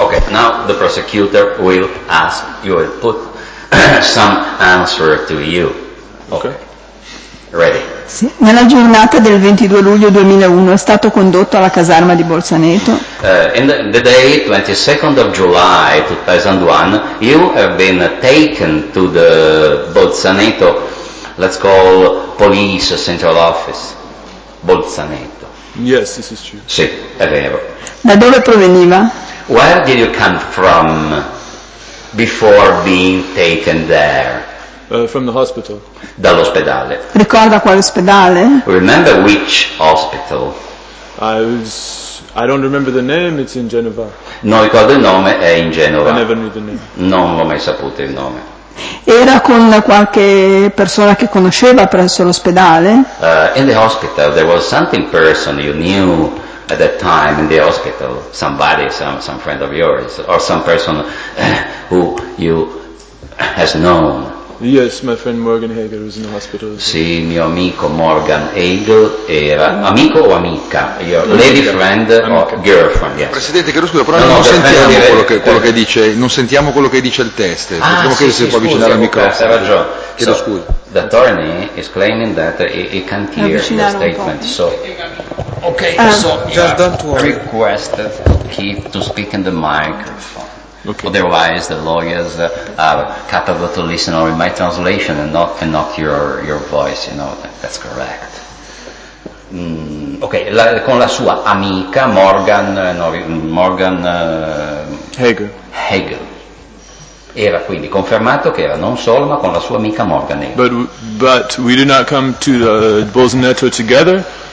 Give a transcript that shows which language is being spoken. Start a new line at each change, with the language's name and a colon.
English: Ok, now the prosecutor will ask, you will put some answer to you. Ok. Ready.
Italian: Sì. Nella giornata del 22 luglio 2001 è stato condotto alla caserma di Bolzaneto.
English: In the day 22nd of July 2001, you have been taken to the Bolzaneto, let's call police central office, Bolzaneto. Yes, this is true.
Italian: Sì, è vero. Da dove proveniva?
English: Where did you come from before being taken there? From the hospital.
Italian: Dall'ospedale. Ricorda quale ospedale?
English: Remember which hospital? I was I don't remember the name, it's in Genova.
Italian: Non ricordo il nome, è in Genova.
English: I never knew the name.
Italian: Non l'ho mai saputo il nome. Era con qualche persona che conosceva presso l'ospedale?
English: In the hospital there was something person you knew at that time in the hospital, somebody, some friend of yours, or some person who you has known. Yes, my friend Morgan Hager was in the hospital.
Italian: Sì, mio amico Morgan Hager era amico o amica?
English: Your lady friend amica. Or girlfriend, yes.
Italian: Presidente, chiedo scusa, però non sentiamo quello che dice, non sentiamo quello che dice il test. Potremmo chiedere se può avvicinare al microfono. Hai ragione. Chiedo scusa.
English: The attorney is claiming that he can't hear the statement. So, okay, so just don't worry. Requested Keith to speak in the microphone. Okay. Otherwise, the lawyers are capable to listen only my translation and not your voice. You know that's correct. Okay,
Italian: con la sua amica
English: Morgan Hager.
Italian: Era quindi confermato che era non solo ma con la sua amica Morgan Hager.
English: But we did not come to the Bolzaneto together.